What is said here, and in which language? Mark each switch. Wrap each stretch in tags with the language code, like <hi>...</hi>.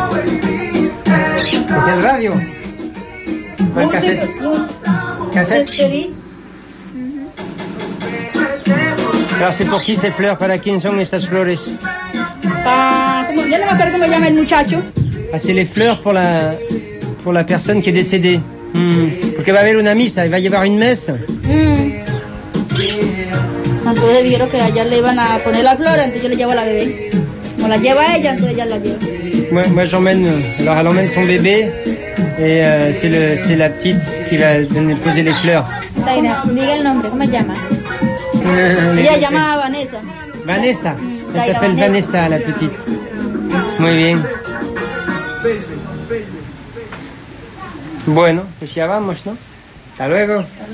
<es>Es el radio. ¿Cuál cassette? ¿Cassette?</es> <fr>Alors c'est pour qui ces fleurs?</fr> <es>¿Para quién son estas flores? Ya no me acuerdo cómo llama el muchacho.</es> <fr>Ah, c'est les fleurs pour la personne qui est décédée.</fr> <es>Porque va a haber una misa, va a llevar una messe. Entonces vieron que allá le iban a poner la flor, entonces yo le llevo a la bebé. Como la lleva ella, entonces ella la lleva.</es> <fr>Moi j'emmène, alors elle emmène son bébé, et c'est la petite qui va venir poser les fleurs.</fr> <es>Diga el nombre, ¿cómo se llama? Ella llama Vanessa.</es> <fr>Vanessa, elle s'appelle Vanessa, la petite.</fr> <es>Muy bien. Bueno, pues ya vamos, ¿no? Hasta luego.</es>